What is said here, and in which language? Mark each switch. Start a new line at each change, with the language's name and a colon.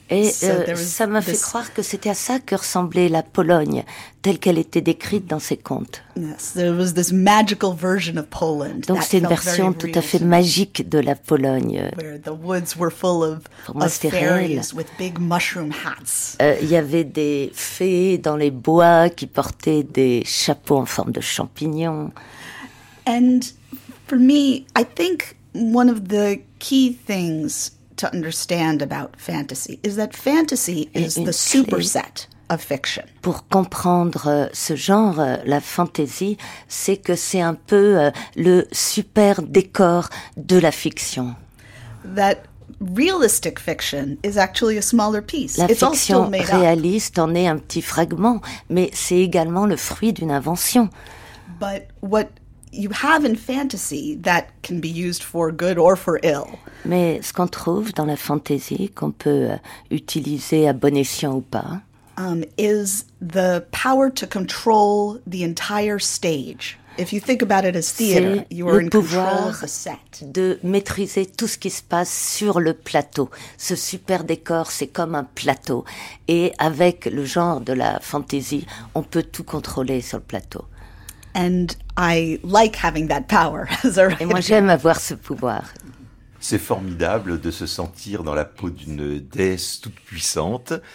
French: Et ça m'a fait croire que c'était à ça que ressemblait la Pologne, telle qu'elle était décrite dans ses contes.
English: Yes, there was this magical version of Poland.
French: Donc c'est une version tout à fait magique de la Pologne.
English: Where the woods were full of fairies with big mushroom hats.
French: Il y avait des fées dans les bois qui portaient des chapeaux en forme de champignons.
English: And for me, I think one of the key things to understand about fantasy is that fantasy is the superset of fiction.
French: Pour comprendre ce genre, la fantasy, c'est que c'est un peu le super décor de la fiction.
English: That realistic fiction is actually a smaller piece.
French: La fiction réaliste en est un petit fragment, mais c'est également le fruit d'une invention.
English: But what you have in fantasy that can be used for good or for ill.
French: Mais ce qu'on trouve dans la fantasy qu'on peut utiliser à bon escient ou pas,
English: is the power to control the entire stage. If you think about it as theater, you are in control of the set.
French: De maîtriser tout ce qui se passe sur le plateau. Ce super décor, c'est comme un plateau. Et avec le genre de la fantasy, on peut tout contrôler sur le plateau.
English: And I like having that power as a writer.
French: Et moi, j'aime avoir ce pouvoir. C'est formidable de se sentir dans la peau d'une déesse toute puissante.